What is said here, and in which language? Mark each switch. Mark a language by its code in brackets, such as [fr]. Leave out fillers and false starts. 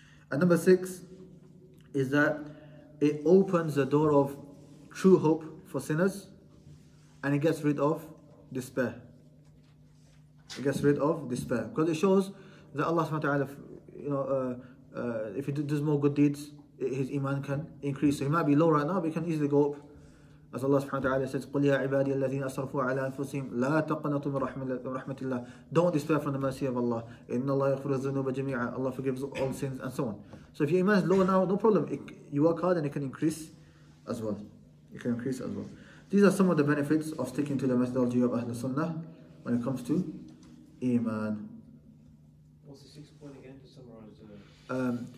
[en] And number six is that it opens the door of true hope for sinners and it gets rid of despair. It gets rid of despair. Because it shows that Allah subhanahu wa ta'ala, you know, if he does more good deeds, his iman can increase. So he might be low right now, but he can easily go up. As Allah subhanahu wa ta'ala says, [ar] قُلْ يَا عِبَادِيَ الَّذِينَ أَصْرَفُوا عَلَى أَنفُسِهِمْ لَا تَقْنَطُوا مِنْ رَحْمَةِ اللَّهِ. [en] Don't despair from the mercy of Allah. [ar] إِنَّ اللَّهَ يَغْفِرُ الذُّنُوبَ جَمِيعًا. [en] Allah forgives all sins, and so on. So if your iman is low now, no problem. You work hard and it can increase as well. It can increase as well. These are some of the benefits of sticking to the methodology of Ahlul Sunnah when it comes to iman. What's the sixth point again to summarize?